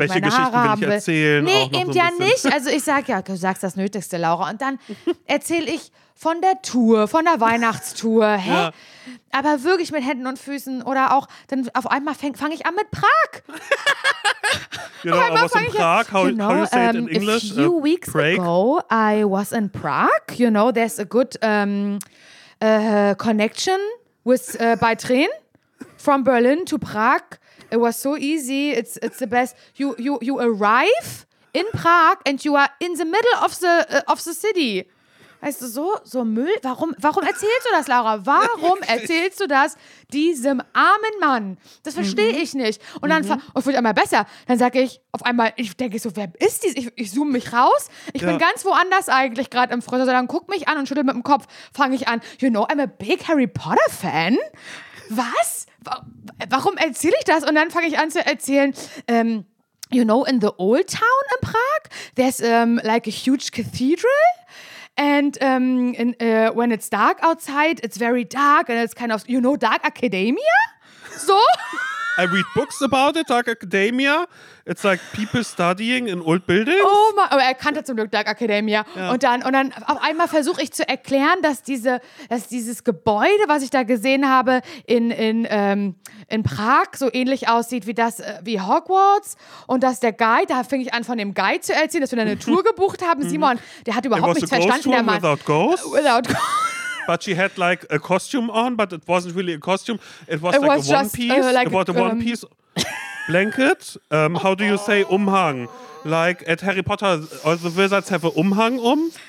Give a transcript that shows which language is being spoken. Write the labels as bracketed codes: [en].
[de] welche ich meine Haare haben will. Welche Geschichten will ich erzählen? Nee, eben ja nicht. Also ich sage, ja, du sagst das Nötigste, Laura. Und dann erzähle ich... Von der Tour, von der Weihnachtstour, hä? Ja. Aber wirklich mit Händen und Füßen oder auch, dann auf einmal fange ich an mit Prag. Genau, aber was in Prag? [en] How you say it in English? A few weeks ago, I was in Prague. You know, there's a good connection with by train from Berlin to Prague. It was so easy. It's the best. You arrive in Prague and you are in the middle of the city. [de] Weißt du, so Müll, warum erzählst du das, Laura? Warum erzählst du das diesem armen Mann? Das verstehe ich nicht. Und dann wird einmal besser. Dann sage ich auf einmal, ich denke so, wer ist dies? Ich zoome mich raus. Ich bin ganz woanders eigentlich gerade im Friseur. Dann guck mich an und schüttel mit dem Kopf. Fange ich an, [en] you know, I'm a big Harry Potter Fan. [de] Was? Warum erzähle ich das? Und dann fange ich an zu erzählen, [en] you know, in the old town in Prague, there's like a huge cathedral. And when it's dark outside, it's very dark and it's kind of, you know, Dark Academia? So? I read books about it, Dark Academia. It's like people studying in old buildings. Oh my, [de] aber er kannte zum Glück Dark Academia. Ja. Und dann auf einmal versuche ich zu erklären, dass dieses Gebäude, was ich da gesehen habe, in Prag so ähnlich aussieht wie das, wie Hogwarts. Und dass der Guide, da fing ich an, von dem Guide zu erzählen, dass wir eine Tour gebucht haben. Simon, der hat überhaupt nichts verstanden. [en] It was a ghost tour without ghosts? Without ghosts. But she had like a costume on, but it wasn't really a costume. It was a one-piece blanket. How do you say Umhang? Like at Harry Potter, all the wizards have a Umhang um.